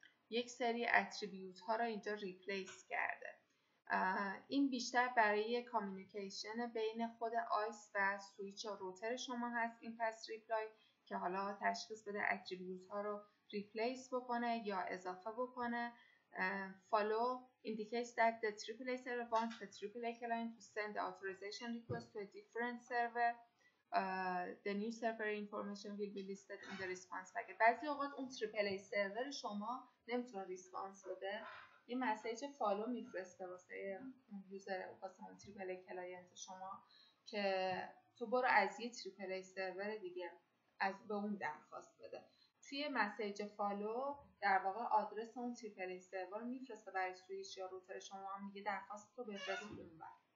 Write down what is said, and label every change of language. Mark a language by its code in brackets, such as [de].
[fa] یک سری اتریبیوت ها رو اینجا ریپلیس کرده. این بیشتر برای کامیونیکیشن بین خود آیس و سویچ و روتر شما هست این پس ریپلای که حالا تشخیص بده اتریبیوت ها رو ریپلیس بکنه یا اضافه بکنه. [en] Follow indicates that the AAA server wants the AAA client to send the authorization request to a different server. The new server information will be listed in the response packet. [fa] بعضی اوقات اون AAA server شما نمیتونه ریسپانس بده. یه مسیج فالو میفرسته واسه اون یوزر واسه اون AAA client شما که تو برو از یه AAA server دیگه از به اون درخواست بده. توی مسیج فالو در واقع آدرس اون تریپل ای سرور میفرسته برای سویچ یا روتر شما هم میگه درخواست رو بفرست اون بر.